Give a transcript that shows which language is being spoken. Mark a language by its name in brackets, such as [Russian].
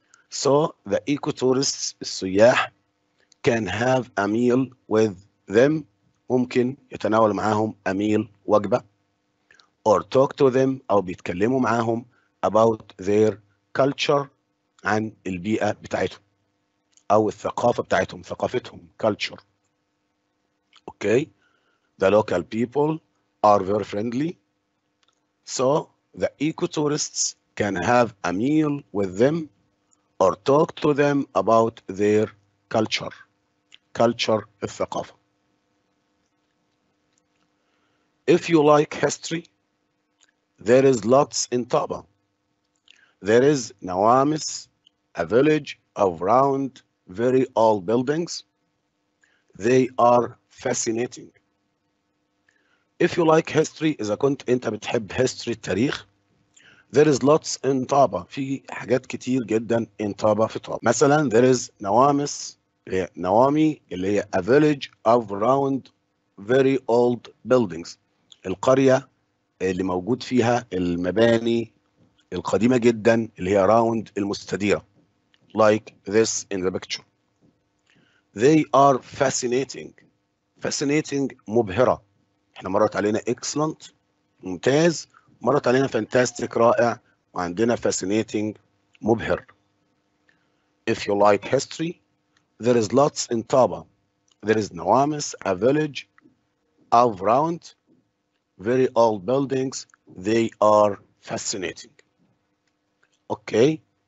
[English] So the ecotourists, [Arabic] السياح, [English] can have a meal with them, [Arabic] ممكن يتناول معهم [English] a meal, [Arabic] وجبة. [English] Or talk to them, [Arabic] أو بيتكلموا معهم [English] about their culture, [Arabic] عن البيئة بتاعتهم. أو الثقافة بتاعتهم, ثقافتهم, culture. [English] Okay, the local people are very friendly. So the ecotourists can have a meal with them or talk to them about their culture. Culture, الثقافة. If you like history, there is lots in Taba. There is Nawamis, a village of round, very old buildings. They are fascinating. If you like history, [Arabic] إذا كنت أنت بتحب [English] history, [Arabic] التاريخ, [English] there is lots in Taba. [Arabic] في حاجات كتير جدا in Taba, في Taba. مثلا, [English] there is Nawamis, Nawami, [Arabic] اللي هي [English] a village of round, very old buildings. [Arabic] القرية اللي موجود فيها المباني القديمة جدا اللي هي راوند المستديرة. [English] Like this in the picture. They are fascinating. Fascinating مبهرة. [Arabic] احنا مرت علينا excellent ممتاز. مرت علينا fantastic رائع. وعندنا fascinating مبهر. [English] If you like history, there is lots in Taba. There is Nawamis, a village of round. Very old buildings, they are fascinating. Okay.